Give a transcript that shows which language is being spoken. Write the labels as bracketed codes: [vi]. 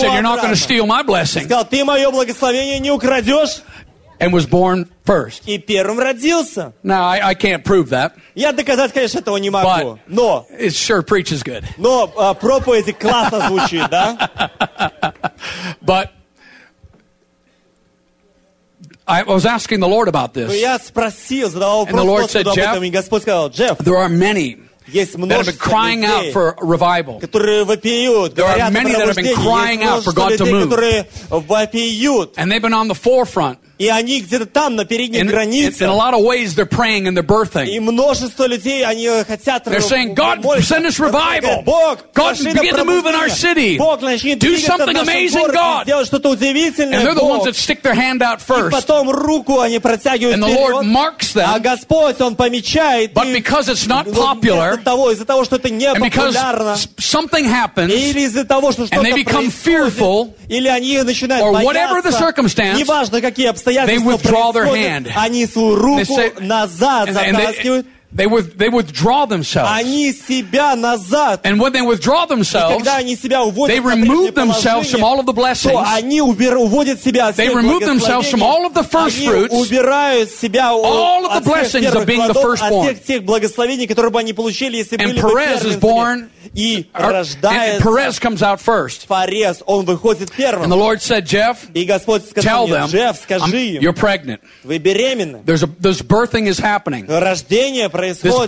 [en] said, [ru] обратно. [en] You're not gonna steal my blessing. [ru] Сказал, ты мое благословение не украдешь. [en] And was born first. [ru] И первым родился. [en] Now I can't prove that. [ru] Я доказать, конечно, этого не могу. [en] But [ru] но [en] it sure preaches good. [ru] Но проповеди классно звучит, да? [en] But I was asking the Lord about this. [ru] Я спросил, задавал вопрос. [en] And the Lord said, Jeff, [ru] и Господь сказал, Джефф, [en] there are many. [ru] Есть множество [en] that have [ru] людей, [en] out for revival. [ru] Которые вопиют, [en] there are many that have been crying out for God to move. [ru] Которые вопиют. [en] And they've been on the forefront. [ru] И они где-то там, на передней границе. [en] In a lot of ways they're praying and they're birthing. [ru] И множество людей, они хотят [en] they're saying, God, [ru] молиться. [en] Send us revival. [ru] Бог, [en] God, begin to move in our city. [ru] Бог, начни [en] do something amazing, God. [ru] Сделай что-то удивительное, [en] and they're [ru] Бог. [en] The ones that stick their hand out first. [ru] И потом руку они протягивают [en] and the [ru] вперед. [en] Lord marks them. [ru] А Господь, Он помечает. [en] But because it's not popular, [ru] из-за того, что это не [en] and [ru] популярно, [en] something happens, [ru] или из-за того, что что-то [en] and they become fearful, [ru] или они начинают [en] or [ru] бояться, [en] whatever the circumstance, [ru] неважно, какие обстоятельства, [en] they withdraw their hand. [ru] Они свою руку [en] they say, [ru] назад затаскивают. [en] They withdraw themselves. [ru] Они себя назад. [en] And when they withdraw themselves, [ru] и когда они себя уводят, [en] they remove themselves from all of the blessings. [ru] Они уводят себя от [en] they remove themselves from all of the first fruits. [ru] Они убирают себя [en] all of the blessings of being the firstborn. [ru] От тех благословений, которые бы они получили, если [en] and [ru] были [en] Perez [ru] первыми. [en] Is born. [ru] И рождается. [en] And Perez comes out first. [ru] Фарес, он выходит первым. [en] And the Lord said, Jeff, [ru] и Господь сказал [en] tell [ru] мне, [en] them, [ru] Джефф, скажи им, [en] you're pregnant. [ru] Вы беременны. [en] There's birthing is happening. [ru] Рождение происходит. происходит.